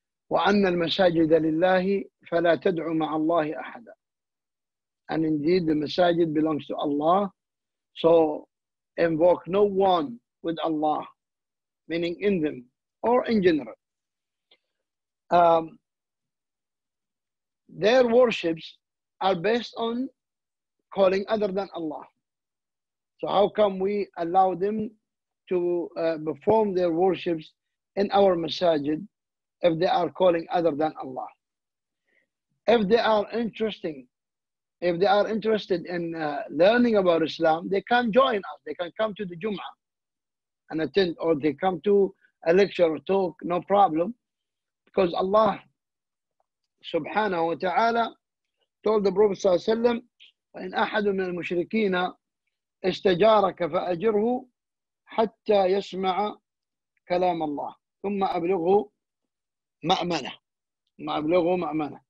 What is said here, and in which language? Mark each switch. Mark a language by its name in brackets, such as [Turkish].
[Arabic] وأن المساجد لله فلا تدعو مع الله أحدا. [English] And indeed the masajid belongs to Allah, so invoke no one with Allah, meaning in them or in general. Their worships are based on calling other than Allah. So how come we allow them to perform their worships in our masajid if they are calling other than Allah? If they are interesting, if they are interested in learning about Islam, they can join us. They can come to the Jum'ah and attend, or they come to a lecture or talk, no problem. Because Allah subhanahu wa ta'ala told the Prophet sallallahu alayhi wa sallam, [Arabic] وَإِنْ أَحَدٌ مِنَ الْمُشْرِكِينَ اِسْتَجَارَكَ فَأَجِرْهُ حَتَّى يَسْمَعَ كَلَامَ اللَّهِ ثُمَّ أَبْلِغُهُ مَأْمَنَهُ ثُمَّ أَبْلِغُهُ مَأْمَنَهُ.